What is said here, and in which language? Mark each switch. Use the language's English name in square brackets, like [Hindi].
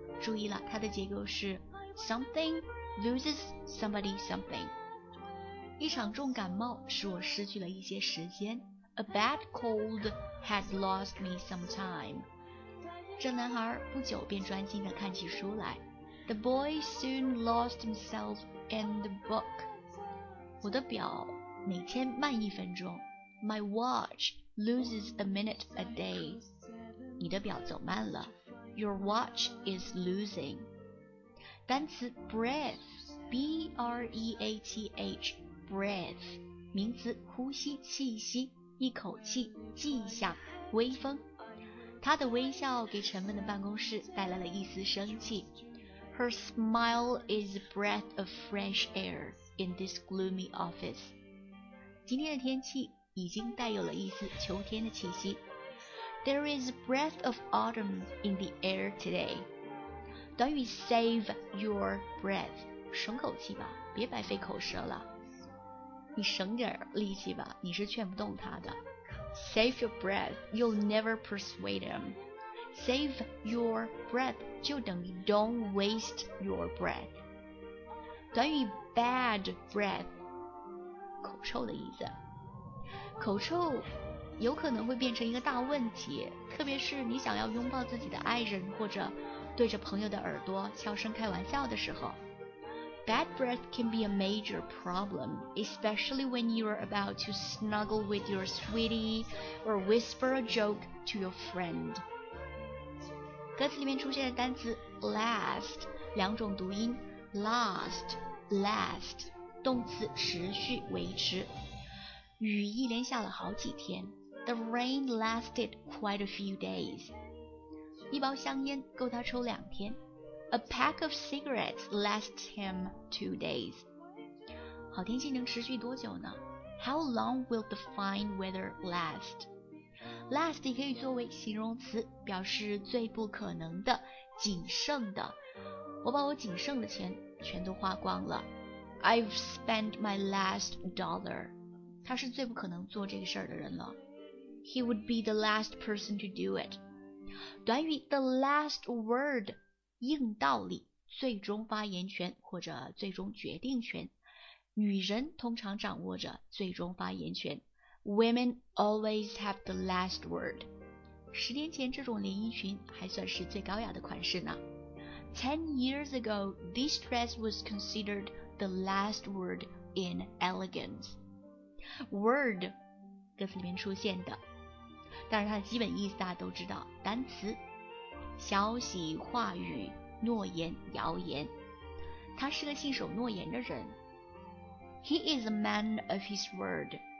[Chinese] 注意了，它的结构是 [English] something loses somebody something。 [Chinese] 一场重感冒使我失去了一些时间。 [English] A bad cold has lost me some time。 [Chinese] 这男孩不久便专心地看起书来。 [English] The boy soon lost himself in the book。 [Chinese] 我的表每天慢一分钟。 [English] My watch loses a minute a day。 [Chinese] 你的表走慢了。 [English] Your watch is losing。 [Chinese] 单词 breath B-R-E-A-T-H breath， 名词呼吸、气息、一口气、迹象、微风。她的微笑给沉闷的办公室带来了一丝生气。 [English] Her smile is a breath of fresh air in this gloomy office。 [Chinese] 今天的天气已经带有了一丝秋天的气息。 [English] There is a breath of autumn in the air today。 [Chinese] 短语 [English] save your breath， [Chinese] 省口气吧，别白费口舌了。你省点力气吧，你是劝不动他的。 [English] Save your breath, you'll never persuade him。 Save your breath [Chinese] 就等于 [English] don't waste your breath。 [Chinese] 短语 bad breath，口臭的意思。口臭有可能会变成一个大问题，特别是你想要拥抱自己的爱人或者对着朋友的耳朵悄声开玩笑的时候。 [English] Bad breath can be a major problem, especially when you are about to snuggle with your sweetie or whisper a joke to your friend。 [Chinese] 歌词里面出现的单词 last 两种读音， last last动词持续维持。雨一连下了好几天。 [English] The rain lasted quite a few days。 [Chinese] 一包香烟够他抽两天。 [English] A pack of cigarettes lasts him 2 days。 [Chinese] 好天气能持续多久呢？ [English] How long will the fine weather last? [Chinese] Last 也可以作为形容词，表示最不可能的、仅剩的。我把我仅剩的钱全都花光了。 [English] I've spent my last dollar。 [Chinese] 他是最不可能做这个事儿的人了。 [English] He would be the last person to do it。 [Chinese] 短语 the last word 硬道理，最终发言权或者最终决定权。女人通常掌握着最终发言权。 [English] Women always have the last word。 [Chinese] 十年前这种连衣裙还算是最高雅的款式呢。 [English] 10 years ago this dress was consideredthe last word in elegance。 [Chinese] word 歌词里面出现的，当然它的基本意思大家都知道，单词消息、话语、诺言、谣言。他是个信守诺言的人。 [English] He is a man of his word。